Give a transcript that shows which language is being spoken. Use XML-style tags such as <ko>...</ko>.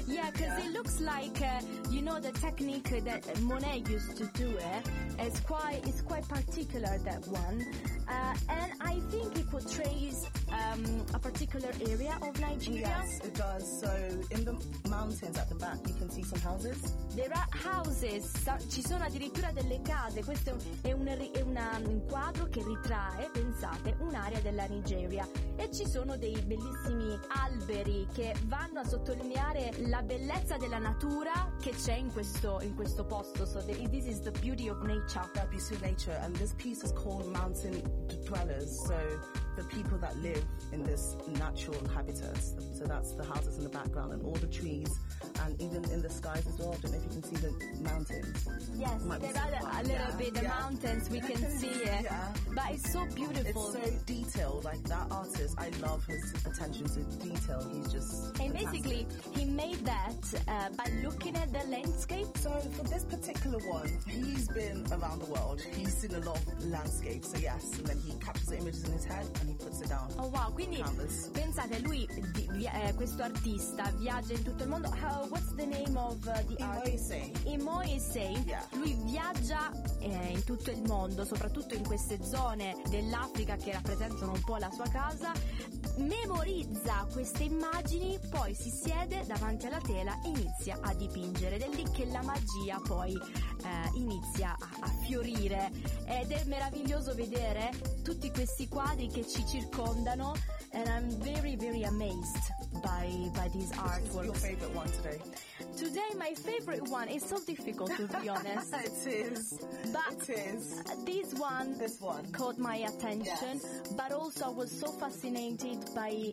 <en>Yeah, because it looks like, you know, the technique that Monet used to do it. It's quite particular, that one. And I think it portrays a particular area of Nigeria. Yes, it does. So in the mountains at the back, you can see some houses. There are houses.</en> <it>Ci sono addirittura delle case. Questo è un quadro che ritrae, pensate, un'area della Nigeria. E ci sono dei bellissimi alberi che vanno a sottolineare la bellezza della natura che c'è in questo posto.</it> <en>So this is the beauty of nature. The beauty of nature. And this piece is called Mountain Dwellers. So the people that live in this natural habitat. So that's the houses in the background and all the trees. And even in the sky. eyes as well, don't know if you can see the mountains. Yes, there are a little bit, the mountains, we can see it. Yeah. But it's so beautiful. It's so detailed, like that artist, I love his attention to detail, he's just And basically, fantastic. He made that by looking at the landscape. So for this particular one, he's been around the world, he's seen a lot of landscapes, so yes, and then he captures the images in his head and he puts it down.</en> <it>Oh wow, quindi pensate, lui, questo artista, viaggia in tutto il mondo.</it> <en>What's the name of the artist? Imoisei.</en> <it>Lui viaggia in tutto il mondo, soprattutto in queste zone dell'Africa che rappresentano un po' la sua casa. Memorizza queste immagini, poi si siede davanti alla tela e inizia a dipingere. Ed è lì che la magia poi inizia a fiorire. Ed è meraviglioso vedere tutti questi quadri che ci circondano.</it> <en>And I'm very, very amazed by these artworks. What's your favorite one today? Today, my favorite one is so difficult, to be honest. It is. But it is. This one caught my attention. Yes. But also, I was so fascinated by</en>